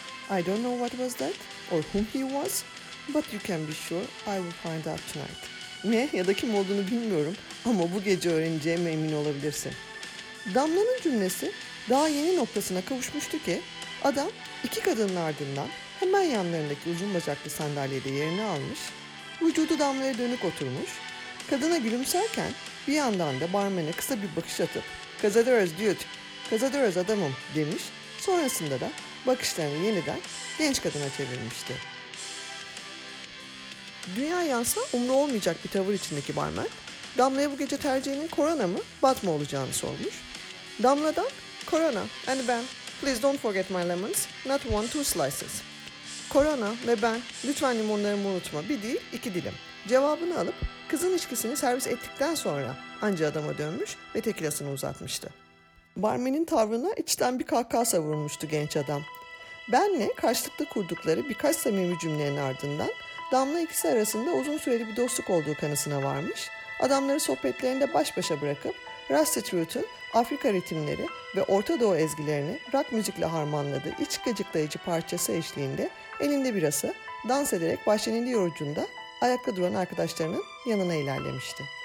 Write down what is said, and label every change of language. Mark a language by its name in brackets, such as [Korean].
[English] "I don't know what was that or whom he was, but you can be sure I will find out tonight." [Turkish] Ne ya da kim olduğunu bilmiyorum ama bu gece öğreneceğime emin olabilirsin. Damla'nın cümlesi daha yeni noktasına kavuşmuştu ki adam iki kadının ardından hemen yanlarındaki uzun bacaklı sandalyede yerini almış, vücudu Damla'ya dönük oturmuş, kadına gülümserken bir yandan da barmene kısa bir bakış atıp "Kazadırız dude, kazadırız adamım" demiş, sonrasında da bakışlarını yeniden genç kadına çevirmişti. Dünya yansa umru olmayacak bir tavır içindeki barmen, Damla'ya bu gece tercihinin Corona mı, Batma olacağını sormuş. [English] Damla'dan "Corona and ben, please don't forget my lemons, not one, two slices." [Turkish] "Corona ve ben, lütfen limonlarımı unutma, bir değil, iki dilim." cevabını alıp kızın içkisini servis ettikten sonra anca adama dönmüş ve tekilasını uzatmıştı. Barmenin tavrına içten bir kahkaha savurmuştu genç adam. Benle karşılıklı kurdukları birkaç samimi cümlenin ardından Damla ikisi arasında uzun süreli bir dostluk olduğu kanısına varmış, adamları sohbetlerinde baş başa bırakıp Rusty Truth'un Afrika ritimleri ve Orta Doğu ezgilerini rock müzikle harmanladığı iç gıcıklayıcı parçası eşliğinde elinde birası dans ederek bahçenin yorucunda ayakta duran arkadaşlarının yanına ilerlemişti.